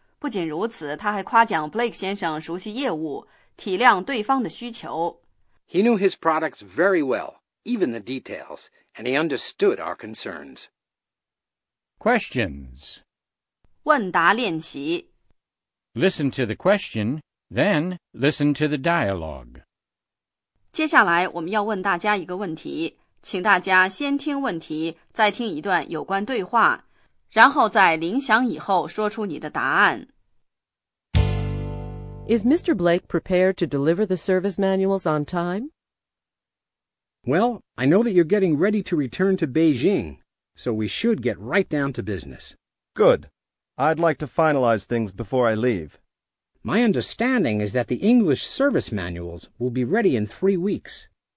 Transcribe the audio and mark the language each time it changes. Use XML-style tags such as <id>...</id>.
<zh>不仅如此，他还夸奖 Blake 先生熟悉业务，体谅对方的需求。</zh> <en>He knew his products very well, even the details, and he understood our concerns. Questions.</en> <zh>问答练习。</zh> <en>Listen to the question, then listen to the dialogue.</en> <zh>接下来我们要问大家一个问题。请大家先听问题，再听一段有关对话，然后在铃响以后说出你的答案。</zh> <en>Is Mr. Blake prepared to deliver the service manuals on time? Well, I know that you're getting ready to return to Beijing, so we should get right down to business. Good. I'd like to finalize things before I leave. My understanding is that the English service manuals will be ready in 3 weeks.</en>